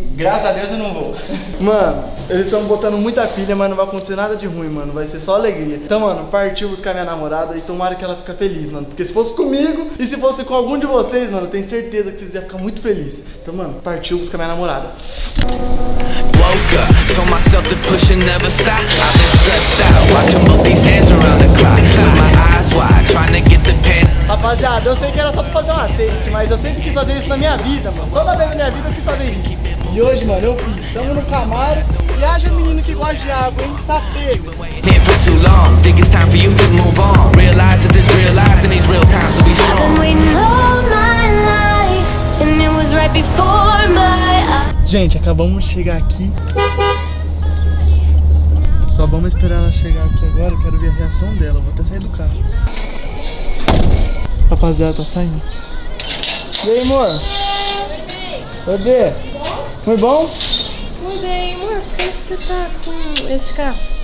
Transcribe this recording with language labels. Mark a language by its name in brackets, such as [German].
[Portuguese] Graças a Deus eu não vou. Mano, eles estão botando muita pilha, mas não vai acontecer nada de ruim, mano. Vai ser só alegria. Então, mano, partiu buscar minha namorada e tomara que ela fique feliz, mano. Porque se fosse comigo e se fosse com algum de vocês, mano, eu tenho certeza que vocês iam ficar muito felizes. Então, mano, partiu buscar minha namorada. [English] Woke up, told myself to push and never stop. I've been stressed out, watching both these hands around the clock. With my eyes wide, trying to get the pen. [Portuguese] Rapaziada, eu sei que era só pra fazer uma take, mas eu sempre quis fazer isso na minha vida, mano. Toda vez na minha vida eu quis fazer isso. E hoje, mano, eu fiz. Tamo no Camaro. E haja menino que gosta de água, hein? Tá feio. [English] Too long, think it's time for you to move on. Realize that there's real lies and these real times will be strong. I've been waiting all my life, and it was right before my eyes. [Portuguese] Gente, acabamos de chegar aqui. Só Só vamos esperar ela chegar aqui agora. Eu quero ver a reação dela. Vou até sair do carro. Rapaziada, tá saindo. E aí, amor? Oi, Bê. Foi bom? Foi bem, amor. Por que você tá com esse carro?